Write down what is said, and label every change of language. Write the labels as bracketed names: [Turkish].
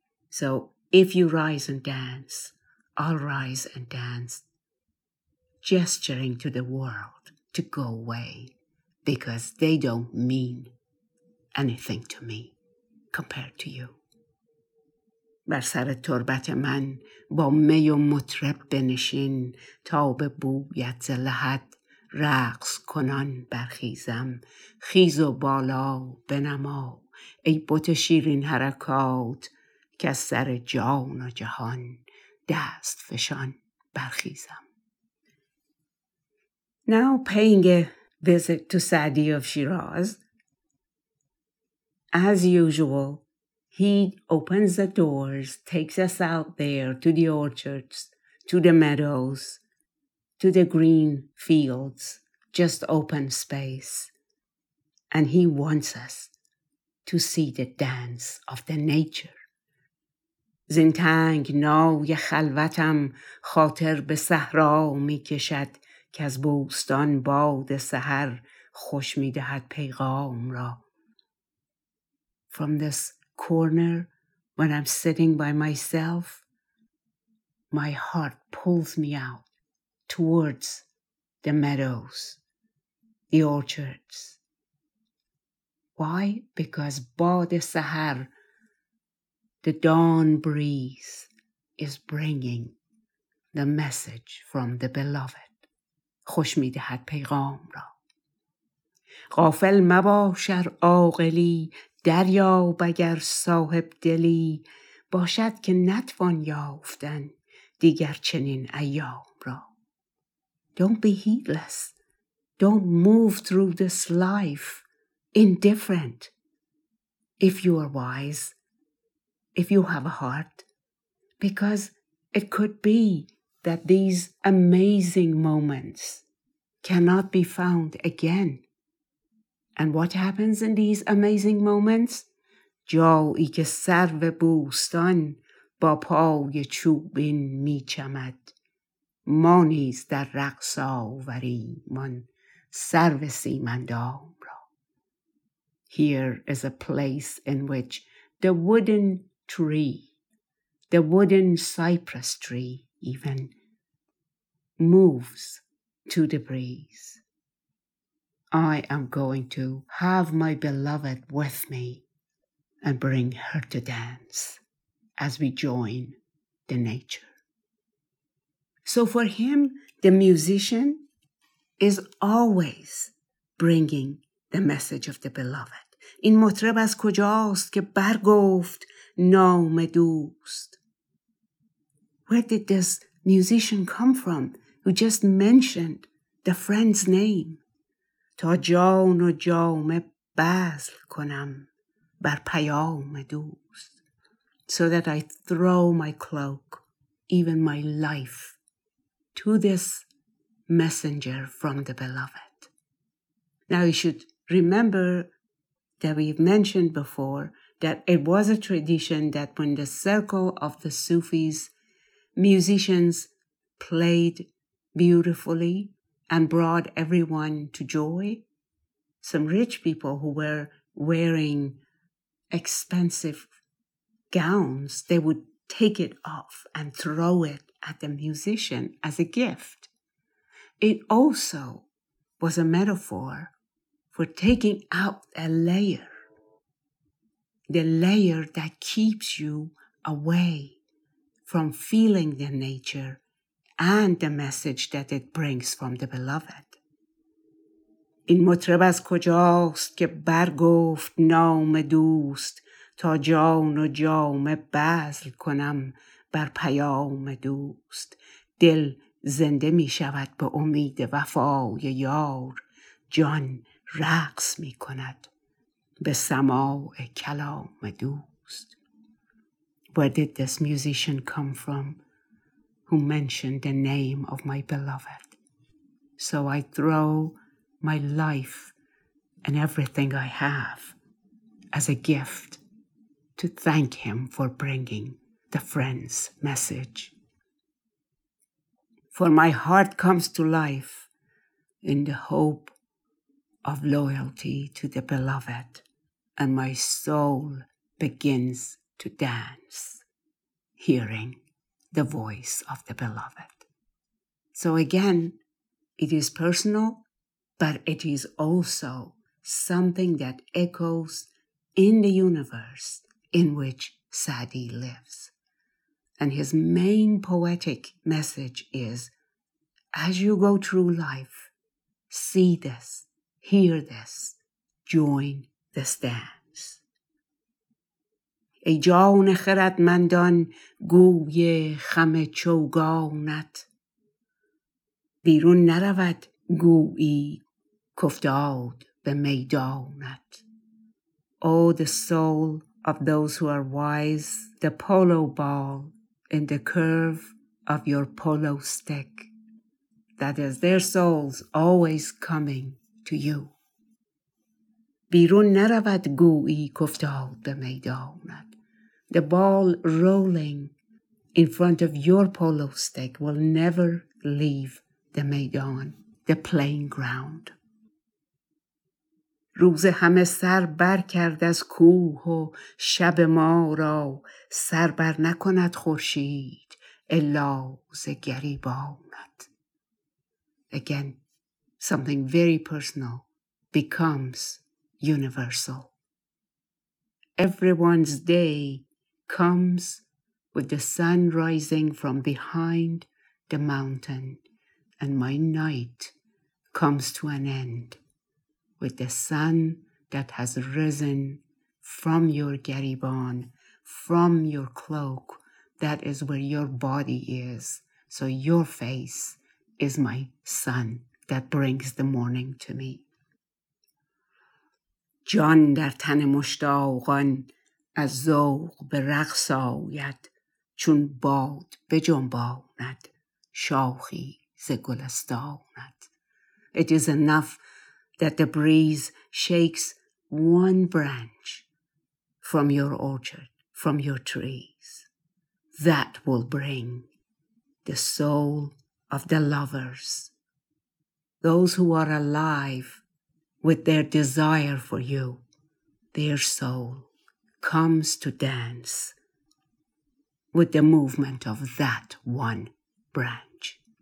[English] So if you rise and dance, I'll rise and dance, gesturing to the world to go away, because they don't mean anything to me compared to you. [Persian] بر سر تربت من با می و مطرب بنشین، تا به بویت لحد رقص کنان برخیزم. خیز و بالا بنما ای بت شیرین حرکات، که از سر جان و جهان دست فشان برخیزم. [English] Now paying a visit to Sa'di of Shiraz, as usual, he opens the doors, takes us out there to the orchards, to the meadows, to the green fields, just open space, and he wants us to see the dance of the nature. [Persian] زین تنگ نای خلوتم خاطر به صحرا می کشد، که از بوستان باد سحر خوش می دهد پیغام را. [English] From this corner, when I'm sitting by myself, my heart pulls me out towards the meadows, the orchards. Why? Because [Persian] باد سحر, [English] the dawn breeze, is bringing the message from the beloved. [Persian] خوش می دهد پیغام را. غافل مباش ار عاقلی، دریاب اگر صاحب دلی، باشد که نتوان یافتن دیگر چنین ایام را. [English] Don't be heedless. Don't move through this life indifferent. If you are wise, if you have a heart, because it could be that these amazing moments cannot be found again. And what happens in these amazing moments? [Persian] جایی که سرو بوستان با پای چوبین می چمد، ما نیز در رقص آوریم آن سرو سیم اندام را. [English] Here is a place in which the wooden tree, the wooden cypress tree even, moves to the breeze. I am going to have my beloved with me and bring her to dance as we join the nature. So for him, the musician is always bringing the message of the beloved. [Persian] این مطرب از کجاست که برگفت نام دوست. [English] Where did this musician come from who just mentioned the friend's name? [Persian] تا جان و جامه بذل کنم بر پیام دوست. [English] So that I throw my cloak, even my life, to this messenger from the beloved. Now you should remember that we've mentioned before that it was a tradition that when the circle of the Sufis, musicians played beautifully and brought everyone to joy, some rich people who were wearing expensive gowns, they would take it off and throw it at the musician as a gift. It also was a metaphor for taking out the layer that keeps you away from feeling the nature and the message that it brings from the beloved. [Persian] این مطرب از کجاست که برگفت نام دوست تا جان و جام بذل کنم بر پیام دوست. دل زنده می شود به امید وفای یار، جان رقص می کند به سماع کلام دوست. [English] Where did this musician come from who mentioned the name of my beloved? So I throw my life and everything I have as a gift to thank him for bringing the friend's message. For my heart comes to life in the hope of loyalty to the beloved, and my soul begins to dance, hearing the voice of the beloved. So again, it is personal, but it is also something that echoes in the universe in which Sa'di lives. And his main poetic message is, as you go through life, see this, hear this, join this dance. [Persian] ای جان خردمندان گوی خم چوگانت، بیرون نرود گویی کفتاد به میدانت. [English] Oh, the soul of those who are wise, the polo ball in the curve of your polo stick. That is their souls always coming to you. [Persian] بیرون نرود گویی کفتاد به میدانت. [English] The ball rolling in front of your polo stick will never leave the maidan, the playing ground. [Persian] روز همه سر بر کرد از کوه و شب ما را، سر بر نکند خورشید الا ز گریبانت. [English] Again, something very personal becomes universal. Everyone's day comes with the sun rising from behind the mountain, and my night comes to an end with the sun that has risen from your gariban, from your cloak. That is where your body is. So your face is my sun that brings the morning to me. [Persian] جان در تن مشتاقان از ذوق به رقص آید، چون باد به جنباند شاخی ز گلستاند. [English] It is enough that the breeze shakes one branch from your orchard, from your trees. That will bring the soul of the lovers, those who are alive with their desire for you, their soul comes to dance with the movement of that one branch.